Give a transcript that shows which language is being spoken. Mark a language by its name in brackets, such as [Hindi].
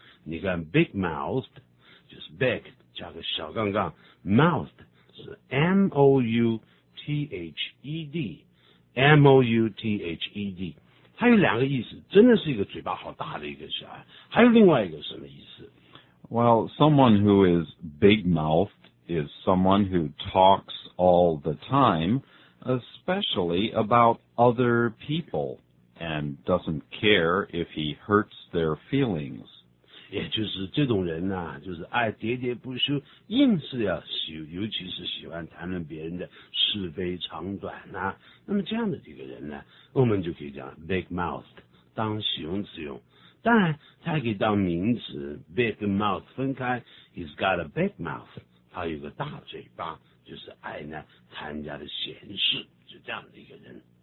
[Chinese] 你看 big-mouthed 就是 big 加个小杠杠 ，mouthed 是 mouthed， mouthed， 它有两个意思，真的是一个嘴巴好大的一个小孩。还有另外一个什么意思？ [English] Well, someone who is big-mouthed is someone who talks all the time, especially about other people, and doesn't care if he hurts their feelings. [Chinese] 也就是这种人啊，就是爱喋喋不休，硬是要喜，尤其是喜欢谈论别人的是非长短啊。那么这样的这个人呢，我们就可以讲 big-mouthed， 当形容词用。当然他可以当名词 big mouth 分开 [English] he's got a big mouth [Chinese] 他有个大嘴巴就是爱呢谈人家的闲事就这样的一个人